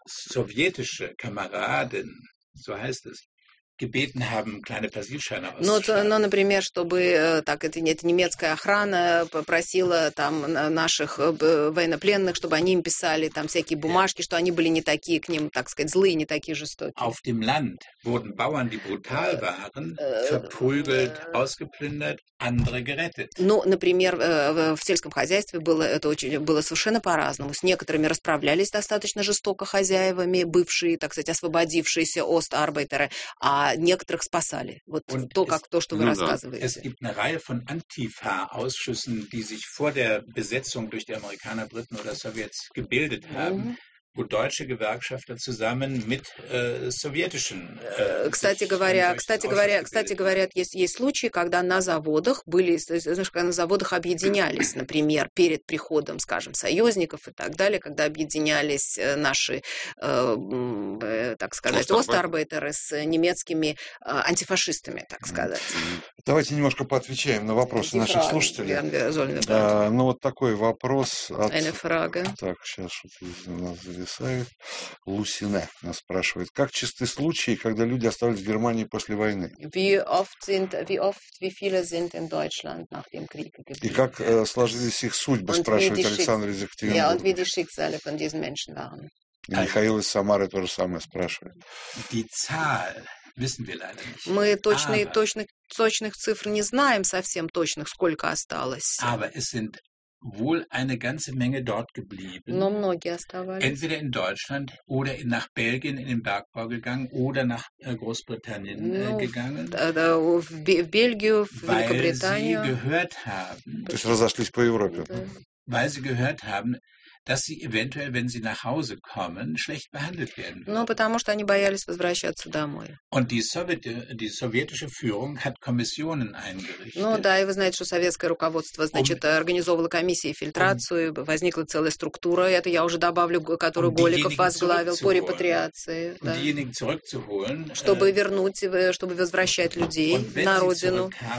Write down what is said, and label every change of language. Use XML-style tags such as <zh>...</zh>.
<de>Sowjetische Kameraden, so heißt es, gebeten haben, kleine Persilscheine auszustellen.</de> <ru>Например, чтобы так это немецкая охрана попросила там наших военнопленных, чтобы они им писали там всякие бумажки, что они были не такие к ним, так сказать, злые, не такие жестокие.</ru> <de>Auf dem Land wurden Bauern, die brutal waren, verprügelt, ausgeplündert, andere gerettet.</de> <ru>Ну, например, в сельском хозяйстве было это очень было совершенно по-разному. С некоторыми расправлялись достаточно жестоко хозяевами, бывшие, так сказать, освободившиеся остарбайтеры, а некоторых спасали. Вот то, как то, что вы рассказываете.</ru> <de>Es gibt eine Reihe von Antifa-Ausschüssen, die sich vor der Besetzung durch die Amerikaner, Briten oder Sowjets gebildet haben, deutsche Gewerkschafter zusammen mit sowjetischen.</de> <ru>Кстати говоря, есть случаи, когда на заводах были, знаешь, когда на заводах объединялись, например, перед приходом, скажем, союзников и так далее, когда объединялись наши, так сказать, остарбайтеры с немецкими антифашистами, так сказать. Давайте немножко поотвечаем на вопросы наших слушателей. Ну вот такой вопрос от.</ru> <de>Eine Frage.</de> <ru>Так, сейчас что-то из нас зависает. Лусине нас спрашивает, как чисты случаи, когда люди остались в Германии после войны?</ru> <de>Wie viele sind in Deutschland nach dem Krieg geblieben?</de> <ru>И как сложились их судьбы, спрашивает Александр из Екатеринбурга.</ru> <de>Ja, und wie die Schicksale von diesen Menschen waren.</de> <ru>И Михаил из Самары тоже самое спрашивает.</ru> <de>Die Zahl wissen wir leider nicht.</de> <ru>Мы точных цифр не знаем совсем точных, сколько осталось.</ru> <de>Aber es sind wohl eine ganze Menge dort geblieben.</de> <ru>Но многие оставались.</ru> <de>Entweder in Deutschland oder nach Belgien in den Bergbau gegangen oder nach Großbritannien gegangen.</de> <ru>В Бельгию, в Великобританию.</ru> <de>Weil sie gehört haben.</de> <ru>То есть разошлись по Европе.</ru> <de>Weil sie gehört haben, dass sie eventuell, wenn sie nach Hause kommen, schlecht behandelt werden.</de> <ru>Ну, потому что они боялись возвращаться домой.</ru> <de>Und die sowjetische Führung hat Kommissionen eingerichtet.</de> <ru>Ну, да, и вы знаете, что советское руководство, значит, организовало комиссии фильтрацию, возникла целая структура, это я уже добавлю, которую Голиков возглавил, по репатриации.</ru> <de>Да. Diejenigen zurückzuholen,</de> <ru>чтобы вернуть, чтобы возвращать людей на родину.</ru>